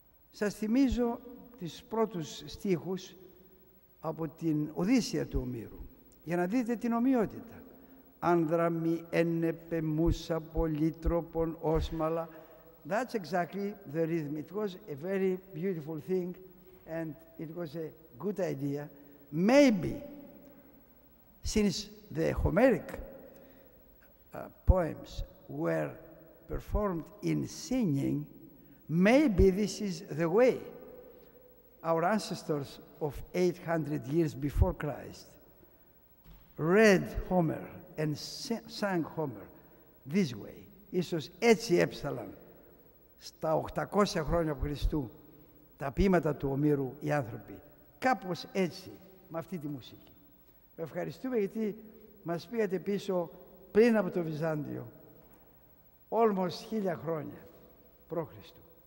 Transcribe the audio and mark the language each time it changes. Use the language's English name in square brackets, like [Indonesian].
[Greek] Σας θυμίζω τις πρώτους στίχους από την Οδύσσεια του ομήρου, για να δείτε την ομοιότητα. «Άνδρα μη ένεπε μούσα πολύτροπον όσμαλα». [English] That's exactly the rhythm. It was a very beautiful thing and it was a good idea. Maybe, since the Homeric poems were performed in singing, maybe this is the way our ancestors of 800 years before Christ read Homer and sang Homer this way. [Greek] Ίσως έτσι έψαλαν στα 800 χρόνια από Χριστού τα ποίηματα του Ομήρου οι άνθρωποι. Κάπως έτσι, με αυτή τη μουσική. Ευχαριστούμε γιατί μας πήγατε πίσω πριν από το Βυζάντιο, όλμως 1000 χρόνια προ Χριστού.